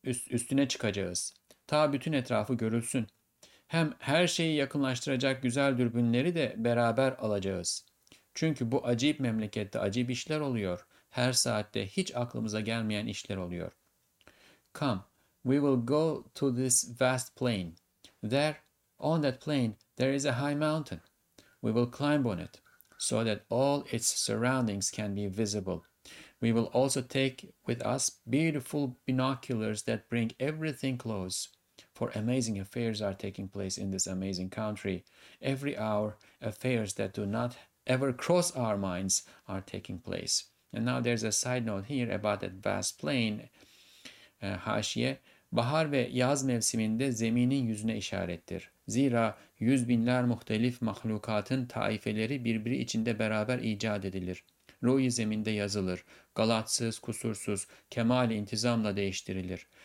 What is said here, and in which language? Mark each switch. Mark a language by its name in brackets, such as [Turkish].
[Turkish] Üstüne çıkacağız. Ta bütün etrafı görülsün. Hem her şeyi yakınlaştıracak güzel dürbünleri de beraber alacağız. Çünkü bu acayip memlekette acayip işler oluyor. Her saatte hiç aklımıza gelmeyen işler oluyor. [English] Come, we will go to this vast plain. There, on that plain, there is a high mountain. We will climb on it, so that all its surroundings can be visible. We will also take with us beautiful binoculars that bring everything close. For amazing affairs are taking place in this amazing country. Every hour, affairs that do not ever cross our minds are taking place. And now there's a side note here about that vast plain. [Turkish] Haşiye, bahar ve yaz mevsiminde zeminin yüzüne işarettir. Zira yüz binler muhtelif mahlukatın taifeleri birbiri içinde beraber icat edilir. Ruh-i zeminde yazılır. Galatsız, kusursuz, kemal-i intizamla değiştirilir.